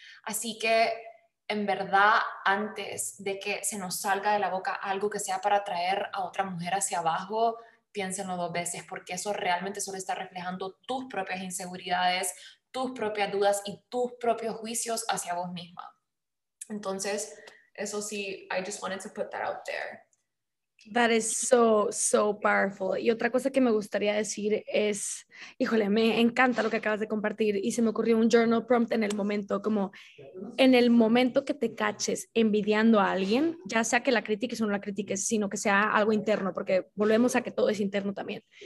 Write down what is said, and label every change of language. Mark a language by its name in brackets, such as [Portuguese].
[Spanish] Así que, en verdad, antes de que se nos salga de la boca algo que sea para atraer a otra mujer hacia abajo, piénsenlo dos veces, porque eso realmente solo está reflejando tus propias inseguridades, tus propias dudas y tus propios juicios hacia vos misma. Entonces, eso sí, [English] I just wanted to put that out there. That is so, so powerful. [Spanish] Y otra cosa que me gustaría decir es, híjole, me encanta lo que acabas de compartir, y se me ocurrió un journal prompt en el momento, como en el momento que te caches envidiando a alguien, ya sea que la critiques o no la critiques, sino que sea algo interno, porque volvemos a que todo es interno también.